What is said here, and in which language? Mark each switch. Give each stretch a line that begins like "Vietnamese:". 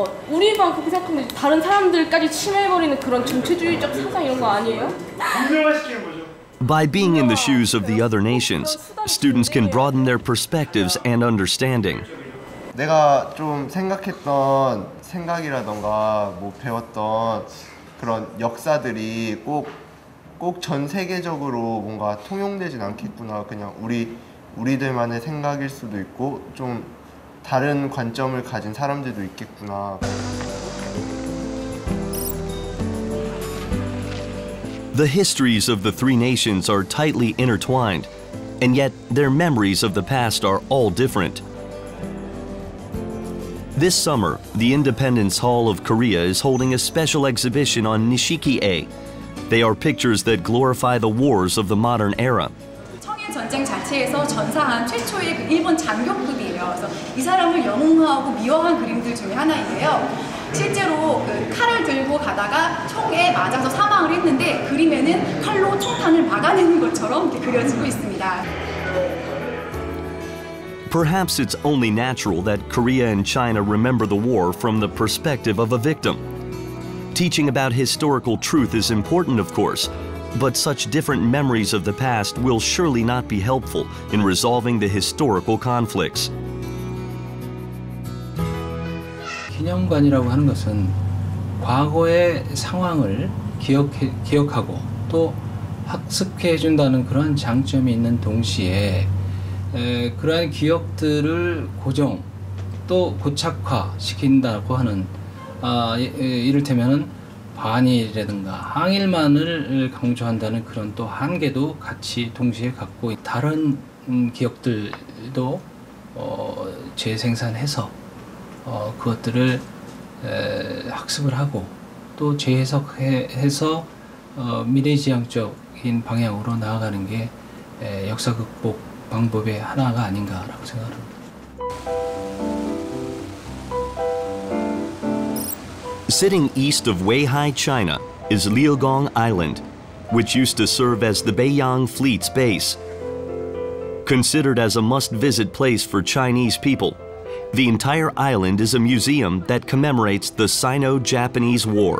Korean: 우리만 그렇게 생각하면 다른 사람들까지 침해버리는 그런 전체주의적 사상 이런 거 아니에요? 분명화시키는 거죠.
English: By being in the shoes of the other nations, students can broaden their perspectives and understanding.
Korean: 내가 좀 생각했던 생각이라던가 뭐 배웠던 그런 역사들이 꼭 전 세계적으로 뭔가 통용되진 않겠구나. 그냥 우리들만의 생각일 수도 있고 좀 다른 관점을 가진 사람들도 있겠구나.
English: The histories of the three nations are tightly intertwined, and yet their memories of the past are all different. This summer, the Independence Hall of Korea is holding a special exhibition on Nishiki-e. They are pictures that glorify the wars of the modern era.
Korean: 전쟁 자체에서 전사한 최초의 일본 장교급이에요. 그래서 이 사람을 영웅화하고 미워한 그림들 중에 하나인데요. 실제로 그 칼을 들고 가다가 총에 맞아서 사망을 했는데 그림에는 칼로 총탄을 막아내는 것처럼 이렇게 그려지고 있습니다.
English: Perhaps it's only natural that Korea and China remember the war from the perspective of a victim. Teaching about historical truth is important, of course. But such different memories of the past will surely not be helpful in resolving the historical conflicts.
Korean: 기념관이라고 하는 것은 과거의 상황을 기억하고 또 학습해 준다는 그런 장점이 있는 동시에 그러한 기억들을 고정 또 고착화 시킨다고 하는 이를테면은 반일이라든가 항일만을 강조한다는 그런 또 한계도 같이 동시에 갖고 다른 기억들도 재생산해서 그것들을 학습을 하고 또 재해석해서 미래지향적인 방향으로 나아가는 게 역사 극복 방법의 하나가 아닌가라고 생각합니다.
English: Sitting east of Weihai, China, is Liaogang Island, which used to serve as the Beiyang Fleet's base. Considered as a must-visit place for Chinese people, the entire island is a museum that commemorates the Sino-Japanese War.